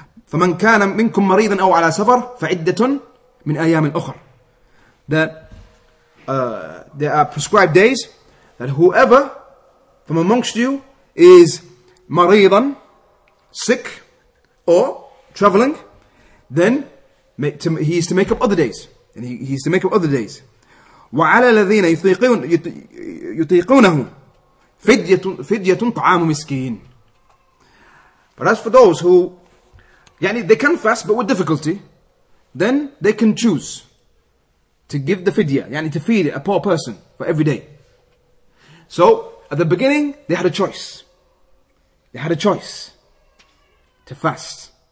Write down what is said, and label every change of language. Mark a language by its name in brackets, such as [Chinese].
[Arabic] فمن كان منكم مريضا أو على سفر فعدة من أيام أخر. [English] There are prescribed days that whoever from amongst you is مريضا, sick, or traveling, then he is to make up other days. And he is to make up other days. [Arabic] وعلى الذين يطيقونه فدية طعام مسكين. [English] But as for those who, يعني, they can fast but with difficulty, then they can choose to give the fidya, يعني, to feed a poor person for every day. So at the beginning, they had a choice to fast.